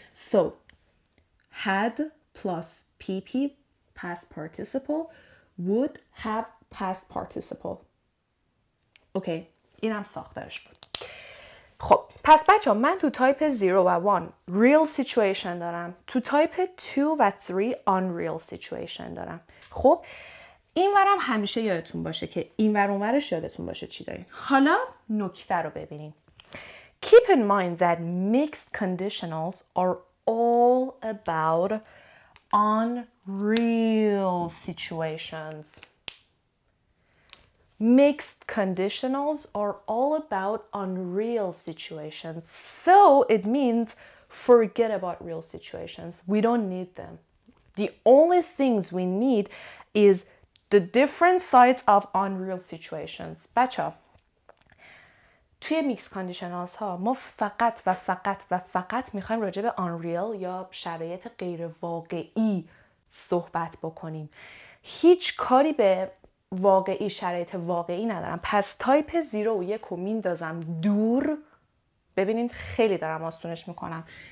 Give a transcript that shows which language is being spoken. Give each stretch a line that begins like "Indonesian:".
English: So had plus PP past participle. Would have past participle.
Persian: اوکی، اینم ساختارش بود. خب پس بچه ها، من تو تایپ 0 و 1 real situation دارم، تو تایپ 2 و 3 unreal situation دارم. خب این ورم همیشه یادتون باشه که این ور اونورش یادتون باشه چی دارین. حالا نکته رو ببینیم.
English: Keep in mind that mixed conditionals are all about unreal situations. Mixed conditionals are all about unreal situations. So it means forget about real situations. We don't need them. The only things we need is the different sides of unreal situations.
Persian: بچه توی میکس کاندیشنالز ها ما فقط و فقط و فقط میخوایم راجع به unreal یا شرایط غیر واقعی صحبت بکنیم. هیچ کاری به واقعی، شرایط واقعی ندارم. پس تایپ 0 و 1 رو میندازم دور. ببینین خیلی دارم آسونش میکنم.